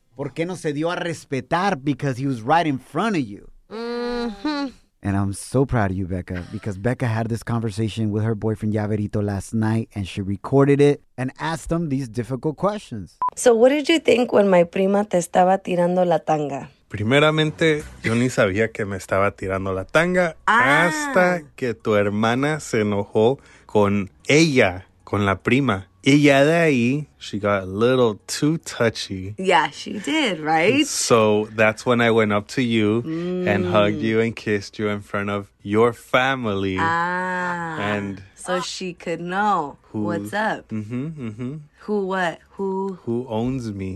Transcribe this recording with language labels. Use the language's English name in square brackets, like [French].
[Spanish] ¿Por qué no se dio a respetar? [English] Because he was right in front of you. Mm-hmm. And I'm so proud of you, Becca, because Becca had this conversation with her boyfriend, Yaverito, last night, and she recorded it and asked him these difficult questions. So what did you think when my prima [Spanish] te estaba tirando la tanga? Primeramente, yo ni sabía que me estaba tirando la tanga hasta que tu hermana se enojó con ella, con la prima. Y ya de ahí, [English] she got a little too touchy. Yeah, she did, right? So that's when I went up to you and hugged you and kissed you in front of your family. And so she could know who, what's up. Mm-hmm, mm-hmm. Who what? Who? Who owns me.